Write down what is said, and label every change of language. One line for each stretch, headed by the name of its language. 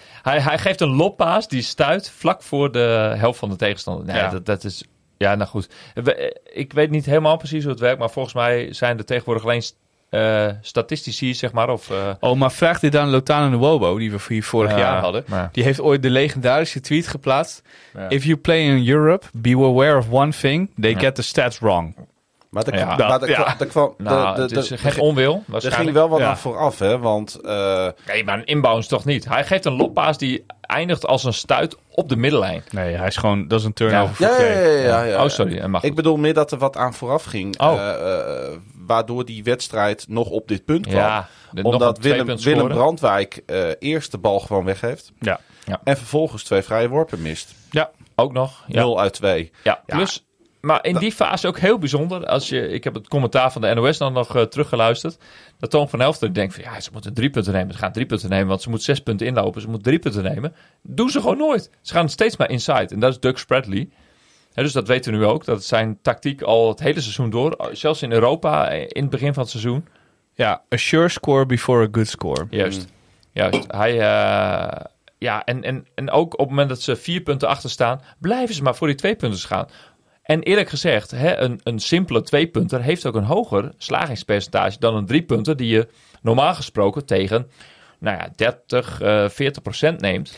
Dutch: Hij geeft een loppaas die stuit vlak voor de helft van de tegenstander. Nee, ja. Dat is... Ja, nou goed. Ik weet niet helemaal precies hoe het werkt, maar volgens mij zijn er tegenwoordig alleen... statistici, zeg maar. Maar vraag dit aan Lotana Nwobo, die we hier vorig jaar hadden. Maar. Die heeft ooit de legendarische tweet geplaatst. Ja.
English: If you play in Europe, be aware of one thing. They get the stats wrong.
Dutch: Maar er kwam onwil. Er ging wel wat aan vooraf, hè? Want, nee, maar een inbounds toch niet. Hij geeft een loppaas die eindigt als een stuit op de middenlijn. Nee, hij is gewoon, dat is een turnover. Ja. Ja. Oh, sorry. Mag ik bedoel meer dat er wat aan vooraf ging. Oh. Waardoor die wedstrijd nog op dit punt kwam. Ja, omdat Willem Brandwijk eerst de bal gewoon weggeeft. Ja. Ja. En vervolgens 2 vrije worpen mist. Ja, ook nog. 0-2. Ja, plus... Maar in die fase ook heel bijzonder. Ik heb het commentaar van de NOS dan nog teruggeluisterd. Dat Toon van Helfter denkt van ja, ze moeten 3 punten nemen. Ze gaan 3 punten nemen, want ze moet 6 punten inlopen. Ze moet 3 punten nemen. Doen ze gewoon nooit. Ze gaan steeds maar inside. En dat is Doug Spradley. Ja, dus dat weten we nu ook. Dat is zijn tactiek al het hele seizoen door. Zelfs in Europa in het begin van het seizoen.
English: Ja, a sure score before a good score.
Dutch: Juist. Juist. Hij Ja, en ook op het moment dat ze 4 punten achter staan, blijven ze maar voor die 2 punten gaan. En eerlijk gezegd, hè, een simpele 2-punter heeft ook een hoger slagingspercentage dan een 3-punter die je normaal gesproken tegen, nou ja, 30-40% neemt.